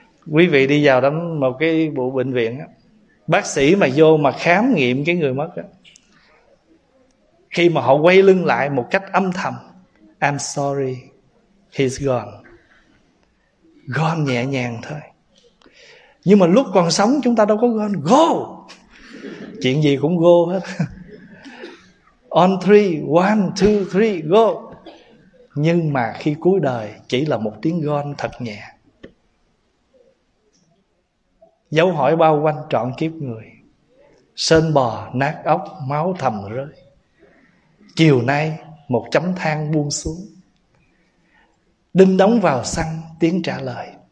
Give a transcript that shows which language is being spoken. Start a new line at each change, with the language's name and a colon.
Vietnamese: Quý vị đi vào đến một cái bộ bệnh viện á, bác sĩ mà vô mà khám nghiệm cái người mất á, khi mà họ quay lưng lại một cách âm thầm,
English: I'm sorry, he's gone.
Vietnamese: Gone nhẹ nhàng thôi. Nhưng mà lúc còn sống chúng ta đâu có gone. Go. Chuyện gì cũng go hết.
English: On three, one, two, three, go.
Vietnamese: Nhưng mà khi cuối đời chỉ là một tiếng gone thật nhẹ. Dấu hỏi bao quanh trọn kiếp người, sơn bò nát ốc máu thầm rơi. Chiều nay một chấm than buông xuống, đinh đóng vào xăng tiếng trả lời.